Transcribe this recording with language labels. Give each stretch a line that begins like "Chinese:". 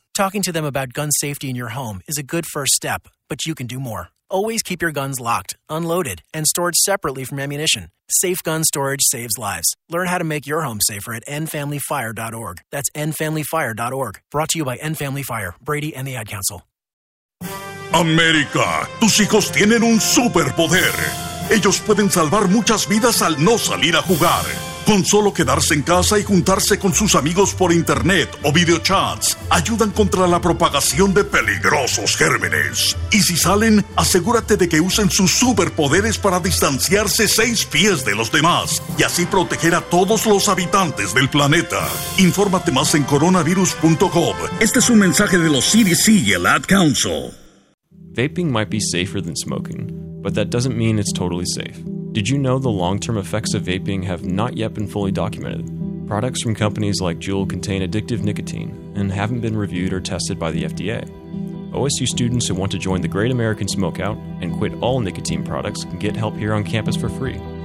English: Talking to them about gun safety in your home is a good first step, but you can do more. Always keep your guns locked, unloaded, and stored separately from ammunition. Safe gun storage saves lives. Learn how to make your home safer at nfamilyfire.org. That's nfamilyfire.org. Brought to you by nFamily Fire, Brady, and the Ad Council.
Spanish: América, tus hijos tienen un superpoder. Ellos pueden salvar muchas vidas al no salir a jugar. Con solo quedarse en casa y juntarse con sus amigos por internet o videochats, ayudan contra la propagación de peligrosos gérmenes. Y si salen, asegúrate de que usen sus superpoderes para distanciarse 6 pies de los demás y así proteger a todos los habitantes del planeta. Infórmate más en coronavirus.gov. Este es un mensaje de los CDC y el Ad Council.
English: Vaping might be safer than smoking, but that doesn't mean it's totally safe. Did you know the long-term effects of vaping have not yet been fully documented? Products from companies like Juul contain addictive nicotine and haven't been reviewed or tested by the FDA. OSU students who want to join the Great American Smokeout and quit all nicotine products can get help here on campus for free.